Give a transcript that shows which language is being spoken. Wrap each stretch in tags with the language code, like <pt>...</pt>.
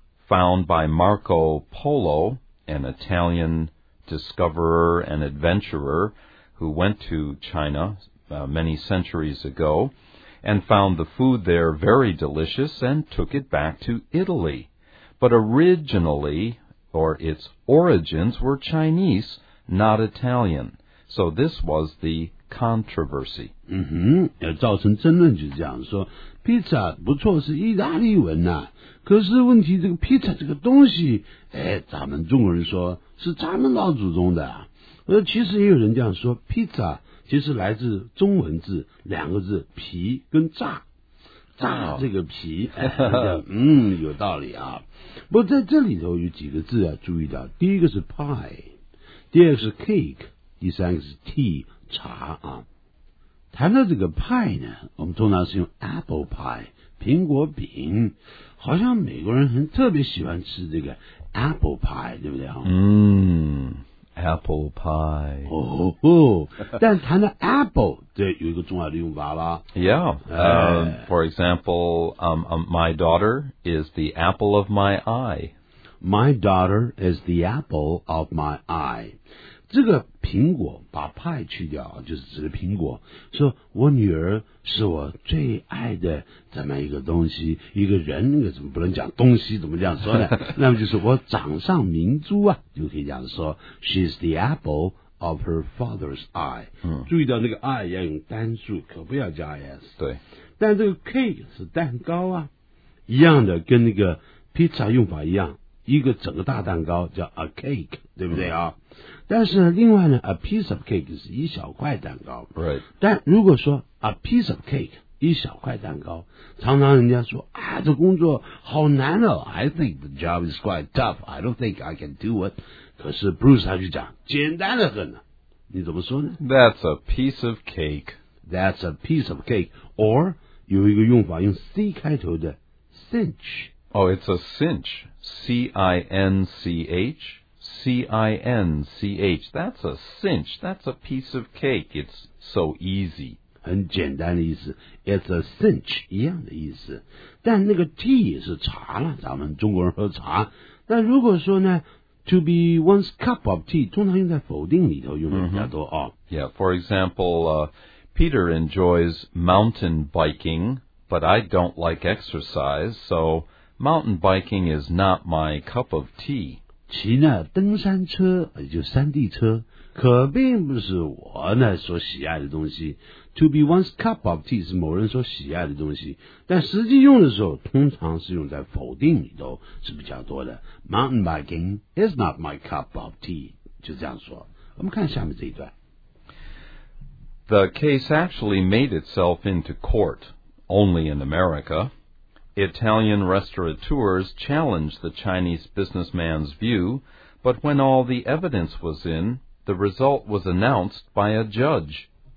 <en>found by Marco Polo, an Italian discoverer and adventurer who went to China many centuries ago and found the food there very delicious and took it back to Italy. But originally, or its origins, were Chinese, not Italian. So this was the controversy.</en> <zh>造成争论就是这样说Pizza 不错是意大利文呐、啊，可是问题这个 pizza 这个东西，哎，咱们中国人说是咱们老祖宗的、啊，其实也有人这样说 ，pizza 其实来自中文字两个字皮跟炸，炸这个皮，哎、有道理啊。不过在这里头有几个字要、啊、注意到，第一个是 pie， 第二个是 cake， 第三个是 tea 茶啊。谈到这个 pie 呢，我们通常是用 apple pie 苹果饼，好像美国人很特别喜欢吃这个 apple pie， 对不对啊？嗯 ，apple pie。哦，但谈到 apple， 对，有一个重要的用法啦。</zh> <en>Yeah, for example, my daughter is the apple of my eye. My daughter is the apple of my eye.</en> <zh>这个苹果把派去掉就是指的苹果说我女儿是我最爱的怎么一个东西一个人那个怎么不能讲东西怎么这样说呢那么就是我掌上明珠啊就可以这样说</zh> <en>She's the apple of her father's eye、</en> <zh>注意到那个 eye 要用单数可不要加 s 对但这个 cake 是蛋糕啊一样的跟那个 pizza 用法一样一个整个大蛋糕叫 a cake 对不对啊、但是另外呢</zh> <en>a piece of cake</en> <zh>是一小块蛋糕</zh> <en>right</en> <zh>但如果说</zh> <en>a piece of cake</en> <zh>一小块蛋糕常常人家说啊，这工作好难哦</zh> <en>I think the job is quite tough I don't think I can do it</en> <zh>可是 Bruce 他就讲简单的很呢你怎么说呢</zh> <en>That's a piece of cake That's a piece of cake or</en> <zh>有一个用法用 C 开头的</zh> <en>cinch Oh it's a cinch C-I-N-C-H C-I-N-C-H That's a cinch That's a piece of cake It's so easy</en> <zh>很简单的意思</zh> <en>It's a cinch</en> <zh>一样的意思但那个 tea 是茶了咱们中国人喝茶但如果说呢</zh> <en>To be one's cup of tea</en> <zh>通常用在否定里头用的比较多、</zh> <en>Yeah, for example Peter enjoys mountain biking But I don't like exercise So mountain biking is not my cup of tea</en> <zh>骑呢登山车也就是山地车可并不是我呢所喜爱的东西</zh> <en>To be one's cup of tea</en> <zh>是某人所喜爱的东西但实际用的时候通常是用在否定里头是比较多的</zh> <en>Mountain biking is not my cup of tea</en> <zh>就这样说我们看下面这一段</zh> <en>The case actually made itself into court only in AmericaItalian restaurateurs challenged the Chinese businessman's view, but when all the evidence was in, the result was announced by a judge.</en>